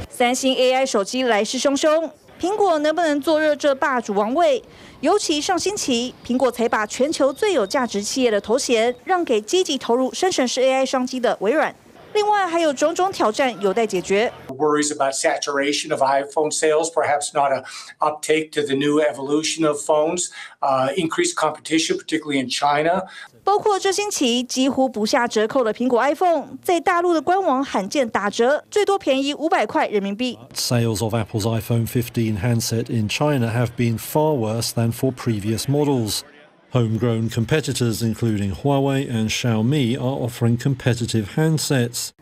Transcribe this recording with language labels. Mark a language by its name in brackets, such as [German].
[Chinese] 三星 AI 手机来势汹汹，苹果能不能坐热这霸主王位？尤其上星期，苹果才把全球最有价值企业的头衔让给积极投入生成式 AI 商机的微软。另外，还有种种挑战有待解决。 [English] Worries about saturation of iPhone sales, perhaps not an uptake to the new evolution of phones, increased competition, particularly in China. [Chinese] 包括这星期几乎不下折扣的苹果 iPhone， 在大陆的官网罕见打折，最多便宜500块人民币。 [English] Sales of Apple's iPhone 15 handset in China have been far worse than for previous models. Homegrown competitors, including Huawei and Xiaomi, are offering competitive handsets.